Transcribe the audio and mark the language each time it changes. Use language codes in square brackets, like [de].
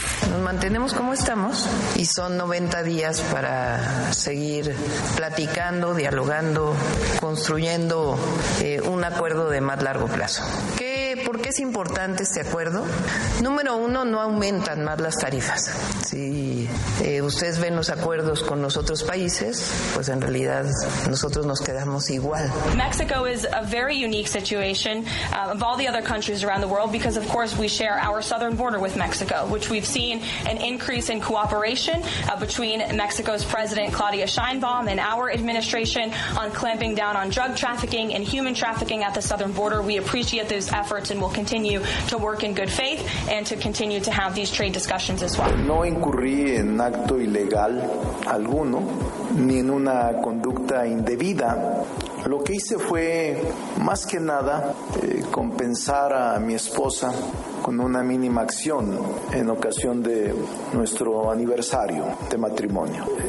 [es] Nos mantenemos como estamos y son 90 días para seguir platicando, dialogando, construyendo un acuerdo de más largo plazo. ¿Por qué es importante este acuerdo? Número uno, no aumentan más las tarifas. Si ustedes ven los acuerdos con los otros países, pues en realidad nosotros nos quedamos igual. [en] Mexico is a very unique situation of all the other countries around the world because of course we share our southern border with Mexico, which we've seen an increase in cooperation between Mexico's president Claudia Sheinbaum and our administration on clamping down on drug trafficking and human trafficking at the southern border. We appreciate those efforts and will continue to work in good faith and to continue to have these trade discussions as well. [es] No incurrí en acto ilegal alguno ni en una conducta indebida. Lo que hice fue más que nada compensar a mi esposa con una mínima acción en ocasión de nuestro aniversario de matrimonio.